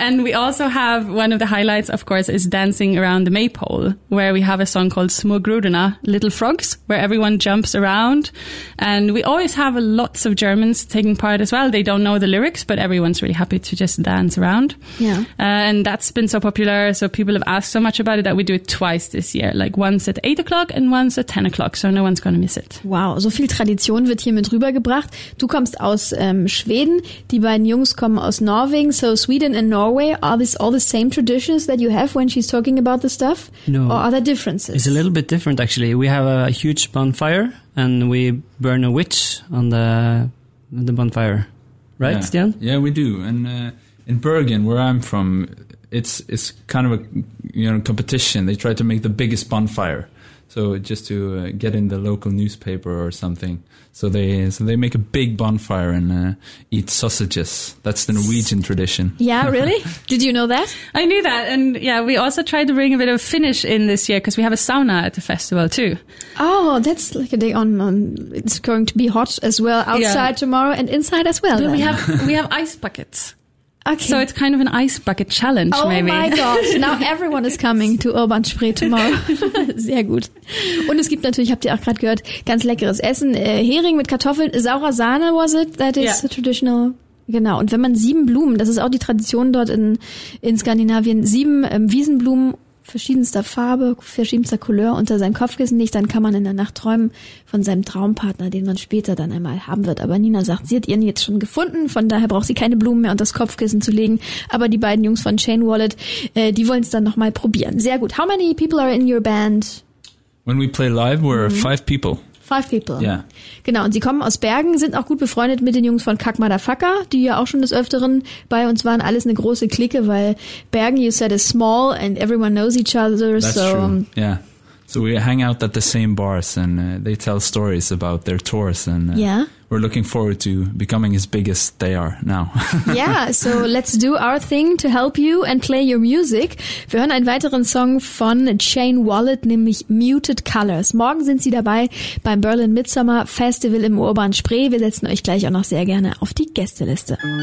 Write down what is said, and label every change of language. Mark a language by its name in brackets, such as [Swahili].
[English] And we also have one of the highlights, of course, is dancing around the maypole, where we have a song called Smågrodorna, Little Frogs, where everyone jumps around. And we always have lots of Germans taking part as well. They don't know the lyrics, but everyone's really happy to just dance around. Yeah. And that's been so popular. So people have asked so much about it that we do it twice this year, like once at 8 o'clock and once at 10 o'clock. So no one's going to miss it. [German] Wow, so viel Tradition wird hier mit rübergebracht. Du kommst aus Schweden. Die beiden Jungs kommen aus Norwegen. [English] So Sweden and Norway, are these all the same traditions that you have when she's talking about the stuff? No. Or are there differences? It's a little bit different, actually. We have a huge bonfire and we burn a witch on the bonfire. Right, yeah. Stian? Yeah, we do. And in Bergen, where I'm from, it's kind of a, you know, competition. They try to make the biggest bonfire, so just to get in the local newspaper or something. So they make a big bonfire and eat sausages. That's the Norwegian tradition. Yeah, really? Did you know that? I knew that. And yeah, we also tried to bring a bit of Finnish in this year because we have a sauna at the festival too. Oh, that's like a day on. It's going to be hot as well outside tomorrow and inside as well. But we have ice buckets. Okay. So it's kind of an ice bucket challenge, maybe. Oh my gosh, now everyone is coming to Urban Spree tomorrow. [German] Sehr gut. Und es gibt natürlich, habt ihr auch gerade gehört, ganz leckeres Essen. Hering mit Kartoffeln, saurer Sahne, [English] was it? That is the traditional. [German] Genau. Und wenn man 7 Blumen, das ist auch die Tradition dort in Skandinavien, 7 Wiesenblumen verschiedenster Farbe, verschiedenster Couleur unter sein Kopfkissen nicht, dann kann man in der Nacht träumen von seinem Traumpartner, den man später dann einmal haben wird. Aber Nina sagt, sie hat ihren jetzt schon gefunden, von daher braucht sie keine Blumen mehr unter das Kopfkissen zu legen. Aber die beiden Jungs von Shane Wallet, die wollen es dann nochmal probieren. Sehr gut. [English] How many people are in your band? When we play live, we're 5 people. 5 people. Yeah. [German] Genau, und sie kommen aus Bergen, sind auch gut befreundet mit den Jungs von Kack Motherfucker, die ja auch schon des Öfteren bei uns waren. Alles eine große Clique, weil Bergen, [English] you said, is small and everyone knows each other. That's true. Yeah. So we hang out at the same bars, and they tell stories about their tours, and we're looking forward to becoming as big as they are now. Yeah, so let's do our thing to help you and play your music. [German] Wir hören einen weiteren Song von Jane Wallet, nämlich Muted Colors. Morgen sind sie dabei beim Berlin Midsummer Festival im Urban Spree. Wir setzen euch gleich auch noch sehr gerne auf die Gästeliste.